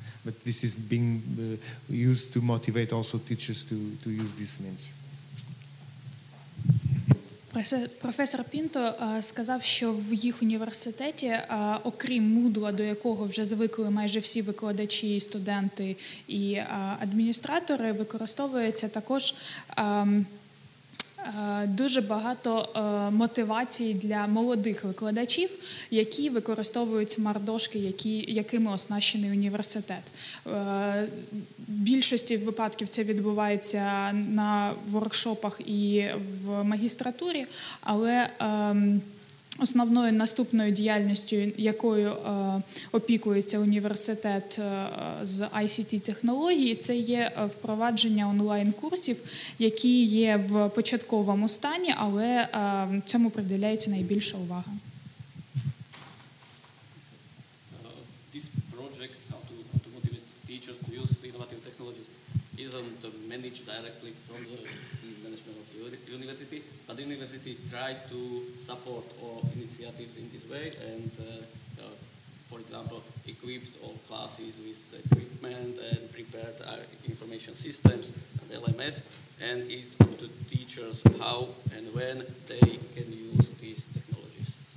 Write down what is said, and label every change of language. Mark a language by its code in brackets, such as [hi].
[en] But this is being used to motivate also teachers to use these means. [uk] Професор Пінто сказав, що в їх університеті, окрім Moodle, до якого вже звикли майже всі викладачі, студенти і адміністратори, використовується також дуже багато мотивацій для молодих викладачів, які використовують смарт-дошки, якими оснащений університет. В більшості випадків це відбувається на воркшопах і в магістратурі, але основною наступною діяльністю, якою опікується університет з ICT-технології, це є впровадження онлайн-курсів, які є в початковому стані, але цьому приділяється найбільша увага. [en] This project, how to motivate teachers to use innovative technologies, isn't managed directly from the management of the university, but the university tried to support all initiatives in this way and, for example, equipped all classes with equipment and prepared our information systems and LMS, and it's up to teachers how and when they can use these technologies.